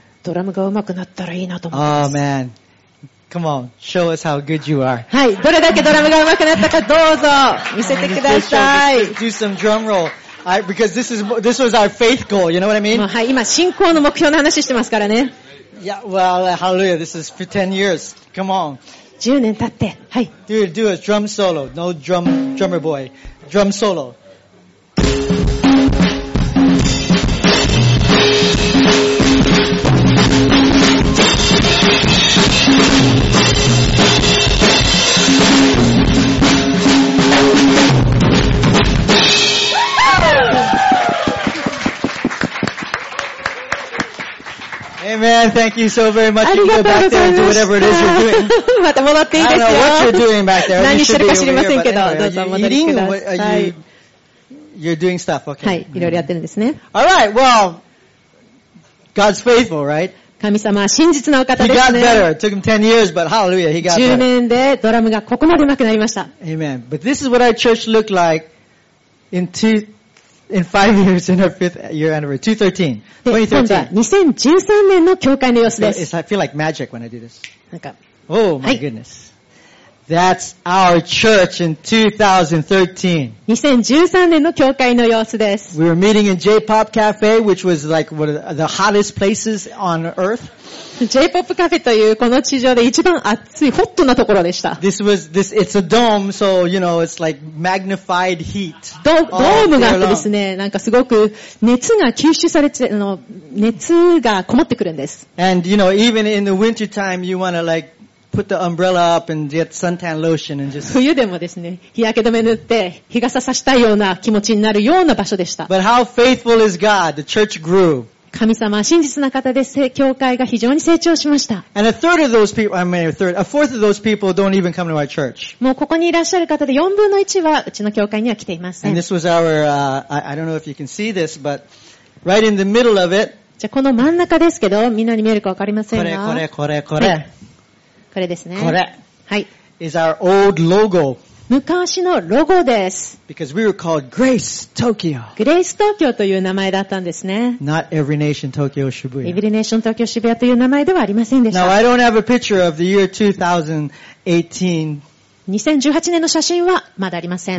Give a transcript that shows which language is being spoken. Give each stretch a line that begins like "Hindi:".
Japanese: ドラムが上手くなったらいいなと思います
English: 。Oh man, come on, show us how good you are.
Japanese: はい、どれだけドラムが上手くなったかどうぞ見せてください。
English: Let's do some drum roll. Because this was our faith goal, you know what I mean?
Japanese: はい、今信仰の目標の話してますからね。
English: Yeah, well, hallelujah, this is for 10 years. Come on.
Japanese: 10年経って、はい。
English: Do a drum solo. No drummer boy. Drum solo. Amen. Thank you so very much. You can go back there and do whatever it is you're doing.
Japanese: また戻っていいですよ。
English: I don't know what you're doing back there.
Japanese: 何してるか知りませんけど、どうぞ戻ってください。はい。
English: You're doing stuff, okay?
Japanese: はい。いろいろやってるんですね。
English: All right. Well, God's faithful, right?
Japanese: 神様は真実なお方ですね。
English: He got better. It took him 10 years, but hallelujah, he got better.
Japanese: 10年でドラムがここまで上手くなりました。
English: Amen. But this is what our church looked like in 5 years in our 5th year anniversary 2013
Japanese: 年の教会の様子です。
English: I feel like magic when I do this. Oh my goodness. That's our church in 2013.
Japanese: 2013年の教会の様子です。
English: We were meeting in J-pop cafe, which was like one of the hottest places on earth.
Japanese: J-pop cafe というこの地上で一番熱いホットなところでした。
English: This it's a dome, so you know, it's like magnified heat.
Japanese: ドームがあってですね、なんかすごく熱が吸収されて、熱がこもってくるんです。
English: And you know, even in the winter time, you want to like,put the umbrella up and get suntan lotion and just
Japanese: 冬でもですね、日焼け止め塗って日傘さしたいような気持ちになるような場所でした。
English: But how faithful is God? The church grew.
Japanese: 神様は真実な方で教会が非常に成長しました。
English: And a fourth of those people don't even come to our church.
Japanese: もうここにいらっしゃる方で4分の1はうちの教会には来ていません。
English: And this was our I don't know if you can see this, but right in the middle of it.
Japanese: じゃあこの真ん中ですけど、みんなに見えるかわかりませんが。これ。はいこれですね。これ。はい。
English: is our old logo.
Japanese: 昔のロゴです。
English: because we were called Grace Tokyo.
Japanese: Grace Tokyo という名前だったんですね。
English: not Every Nation Tokyo Shibuya.
Japanese: Every Nation Tokyo Shibuya という名前ではありませんでした。
English: now I don't have a picture of the year 2018
Japanese: 2018年の写真はまだありません。